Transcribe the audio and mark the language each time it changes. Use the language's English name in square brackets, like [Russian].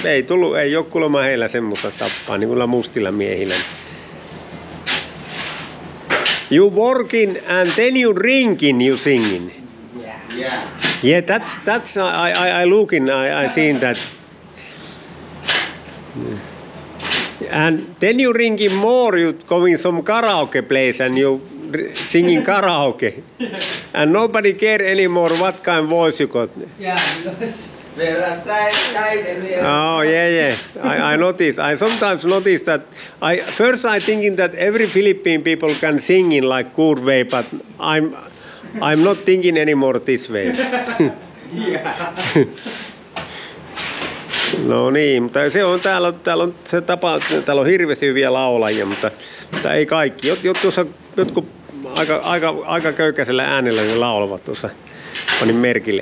[Finnish] Ei tullut, ei ole kuulemma heillä semmoista tappaa, niin kuin mustilla miehillä. [English] You working and then you drinking, you singing. Yeah. Yeah, that's I looking, I seen that. And then you drinking more, you going some karaoke place and you singing karaoke. And nobody care anymore what kind of voice you got. Yeah, because we are tired and we are. Oh, yeah. I notice. I sometimes notice that. I thinking that every Philippine people can sing in like good way, but I'm not thinking anymore this way. Yeah. [Finnish] No niin, mutta se on täällä on se tapa, täällä on hirveästi hyviä laulajia, mutta ei kaikki. Jotkut aika köykäisellä äänellä ne laulavat tuossa, panin merkille.